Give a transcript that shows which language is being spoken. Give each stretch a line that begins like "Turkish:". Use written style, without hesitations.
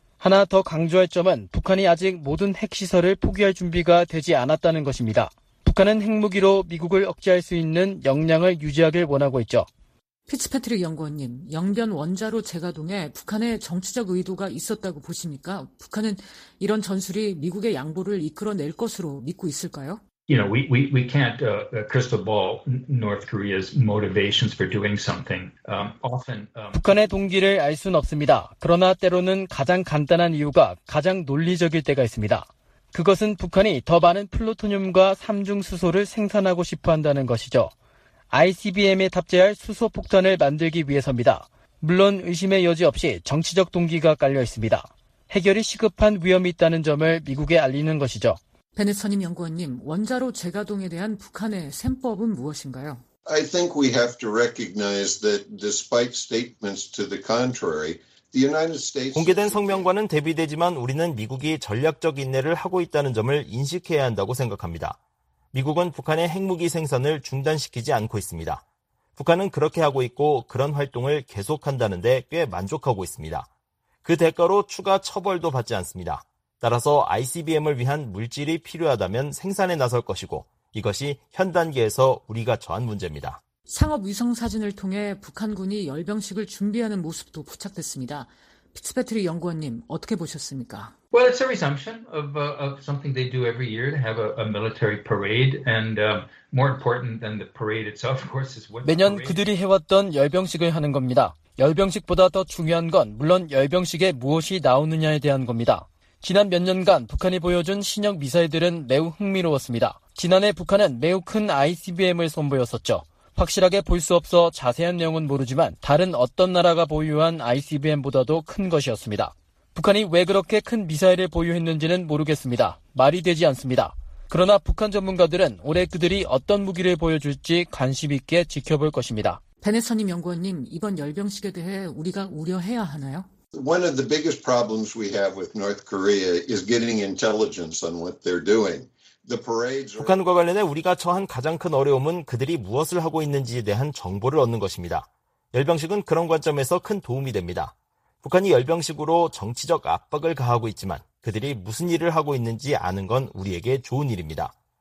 Korean: 하나 더 강조할 점은 북한이 아직 모든 핵시설을 포기할 준비가 되지 않았다는 것입니다. 북한은 핵무기로 미국을 억제할 수 있는 역량을 유지하길 원하고 있죠. 피츠패트릭 연구원님, 영변 원자로 재가동에 북한의 정치적 의도가 있었다고 보십니까? 북한은 이런 전술이 미국의 양보를 이끌어낼 것으로 믿고 있을까요?
English: You know, we can't crystal ball North Korea's motivations for doing something. Often
Korean: 북한의 동기를 알 순 없습니다. 그러나 때로는 가장 간단한 이유가 가장 논리적일 때가 있습니다. 그것은 북한이 더 많은 플루토늄과 삼중수소를 생산하고 싶어 한다는 것이죠. ICBM에 탑재할 수소폭탄을 만들기 위해서입니다. 물론 의심의 여지 없이 정치적 동기가 깔려 있습니다. 해결이 시급한 위험이 있다는 점을 미국에 알리는 것이죠. 베넷 선임 연구원님, 원자로 재가동에 대한 북한의 셈법은 무엇인가요?
English: I think we have to recognize that despite statements to the contrary, the United States
Korean: 공개된 성명과는 대비되지만 우리는 미국이 전략적 인내를 하고 있다는 점을 인식해야 한다고 생각합니다. 미국은 북한의 핵무기 생산을 중단시키지 않고 있습니다. 북한은 그렇게 하고 있고 그런 활동을 계속한다는데 꽤 만족하고 있습니다. 그 대가로 추가 처벌도 받지 않습니다. 따라서 ICBM을 위한 물질이 필요하다면 생산에 나설 것이고 이것이 현 단계에서 우리가 처한 문제입니다. 상업 위성 사진을 통해 북한군이 열병식을 준비하는 모습도 포착됐습니다. 피츠패트릭 연구원님, 어떻게 보셨습니까?
English: Well, it's a resumption of something they do every year to have a military parade. And more important than the parade itself, of course, is what
Korean: 매년 그들이 해왔던 열병식을 하는 겁니다. 열병식보다 더 중요한 건 물론 열병식에 무엇이 나오느냐에 대한 겁니다. 지난 몇 년간 북한이 보여준 신형 미사일들은 매우 흥미로웠습니다. 지난해 북한은 매우 큰 ICBM을 선보였었죠. 확실하게 볼 수 없어 자세한 내용은 모르지만 다른 어떤 나라가 보유한 ICBM보다도 큰 것이었습니다. 북한이 왜 그렇게 큰 미사일을 보유했는지는 모르겠습니다. 말이 되지 않습니다. 그러나 북한 전문가들은 올해 그들이 어떤 무기를 보여줄지 관심 있게 지켜볼 것입니다. 베넷 선임 연구원님, 이번 열병식에 대해 우리가 우려해야 하나요?
English: One of the biggest problems we have with North Korea is getting intelligence on what they're doing.
Korean: 북한과 관련해 우리가 처한 가장 큰 어려움은 그들이 무엇을 하고 있는지에 대한 정보를 얻는 것입니다. 열병식은 그런 관점에서 큰 도움이 됩니다. 북한이 열병식으로 정치적 압박을 가하고 있지만 그들이 무슨 일을 하고 있는지 아는 건 우리에게 좋은 일입니다.